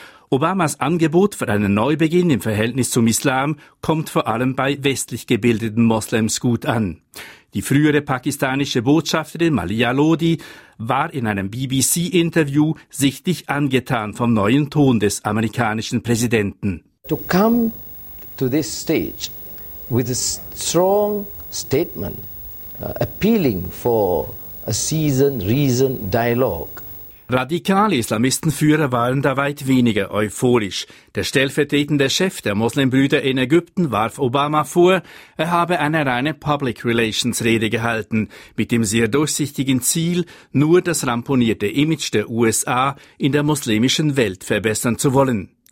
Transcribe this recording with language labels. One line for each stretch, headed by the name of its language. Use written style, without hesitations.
German: Obamas Angebot für einen Neubeginn im Verhältnis zum Islam kommt vor allem bei westlich gebildeten Moslems gut an. Die frühere pakistanische Botschafterin Malia Lodi war in einem BBC-Interview sichtlich angetan vom neuen Ton des amerikanischen Präsidenten.
English: To come to this stage with a strong statement, appealing for a reason dialogue.
German: Radikale Islamistenführer waren da weit weniger euphorisch. Der stellvertretende Chef der Moslembrüder in Ägypten warf Obama vor, er habe eine reine Public Relations Rede gehalten, mit dem sehr durchsichtigen Ziel, nur das ramponierte Image der USA in der muslimischen Welt verbessern zu wollen.